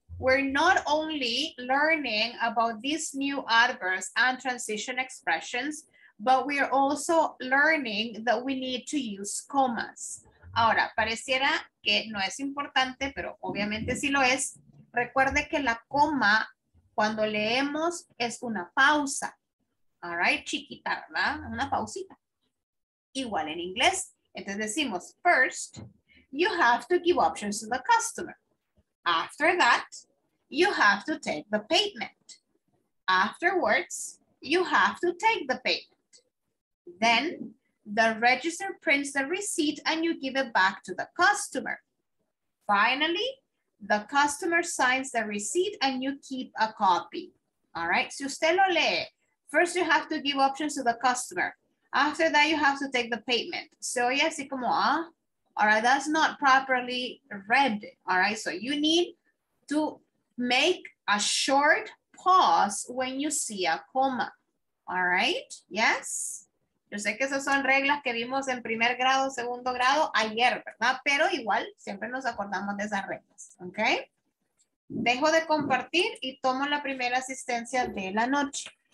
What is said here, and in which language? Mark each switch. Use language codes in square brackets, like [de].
[en] we're not only learning about these new adverbs and transition expressions, but we're also learning that we need to use commas. [es] Ahora, pareciera que no es importante, pero obviamente sí lo es. Recuerde que la coma, cuando leemos, es una pausa. All right, chiquita, ¿verdad? Una pausita. Igual en inglés. Entonces decimos, [en] first, you have to give options to the customer. After that, you have to take the payment. Afterwards, you have to take the payment. Then, the register prints the receipt and you give it back to the customer. Finally, the customer signs the receipt and you keep a copy. All right, [es] si usted lo lee, [en] first you have to give options to the customer. After that, you have to take the payment. So, yeah, [es] así como, [en] ah, all right, that's not properly read. All right, so you need to make a short pause when you see a comma. All right, yes? [es] Yo sé que esas son reglas que vimos en primer grado, segundo grado, ayer, ¿verdad? Pero igual, siempre nos acordamos de esas reglas, ¿ok? Dejo de compartir y tomo la primera asistencia de la noche.